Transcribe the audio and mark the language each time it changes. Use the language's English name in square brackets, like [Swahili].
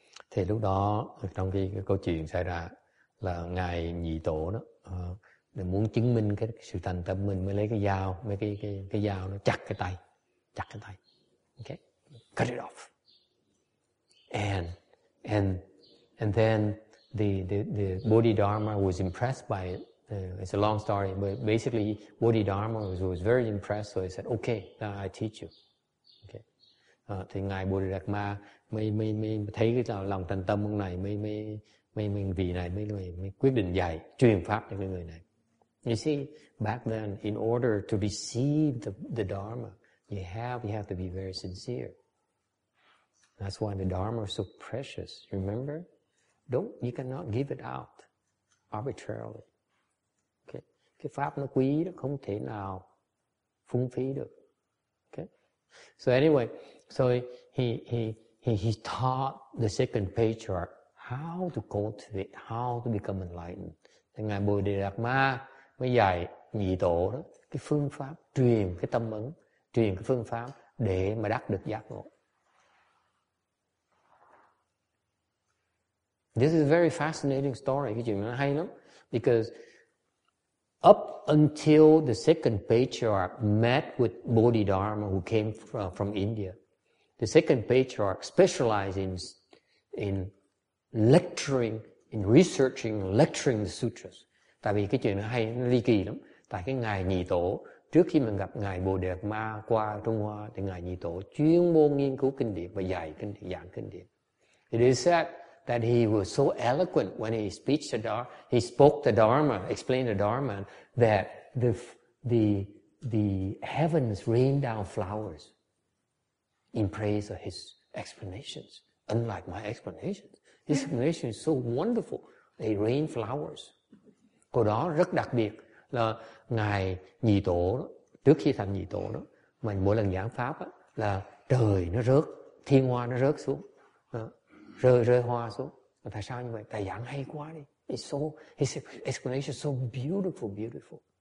[Vietnamese] Thì lúc đó trong cái câu chuyện xảy ra là ngài nhị tổ đó muốn chứng minh cái sự thành tâm mình mới lấy cái dao nó chặt cái tay. Okay? [English] Cut it off. And then the Bodhidharma was impressed by it. It's a long story, but basically Bodhidharma was very impressed, so he said, okay, now I teach you. Okay. [Vietnamese] Thì Ngài Bồ Đề Đạt Ma mới thấy cái lòng thành tâm ông này, mới vì này, mới quyết định dạy, truyền pháp cho cái người này. [English] You see, back then, in order to receive the Dharma, you have to be very sincere. That's why the Dharma is so precious. Remember? You cannot give it out arbitrarily. Okay. [Vietnamese] Cái pháp nó quý, không thể nào phung phí được. [English] Okay. So anyway, so he taught the second patriarch how to cultivate, how to become enlightened. [Vietnamese] Thì Ngài Bồ Đề Đạt Ma mới dạy nhị tổ đó, cái phương pháp truyền cái tâm ấn, truyền cái phương pháp để mà đắc được giác ngộ. [English] This is a very fascinating story, [Vietnamese] cái chuyện này hay lắm. [English] Because up until the second patriarch met with Bodhidharma who came from India, the second patriarch specialized in lecturing, in researching, lecturing the sutras. [Vietnamese] Tại vì cái chuyện này hay, nó ly kỳ lắm. Tại cái Ngài Nhị Tổ, trước khi mình gặp Ngài Bồ Đề Đạt Ma qua Trung Hoa, thì Ngài Nhị Tổ chuyên môn nghiên cứu kinh điển và dạy kinh điển, giảng kinh điển. [English] It is said that he was so eloquent when he spoke the Dharma, explained the Dharma, that the heavens rained down flowers in praise of his explanations, unlike my explanations. His explanation is so wonderful. They rain flowers. [Vietnamese] Cô đó rất đặc biệt là Ngài Nhị Tổ đó, trước khi thành Nhị Tổ đó, mà mỗi lần giảng pháp đó, là trời nó rớt, thiên hoa nó rớt xuống, rơi hoa xuống. Mà tại sao như vậy? Tại giảng hay quá đi. [English] It's so, his explanation is so beautiful, beautiful.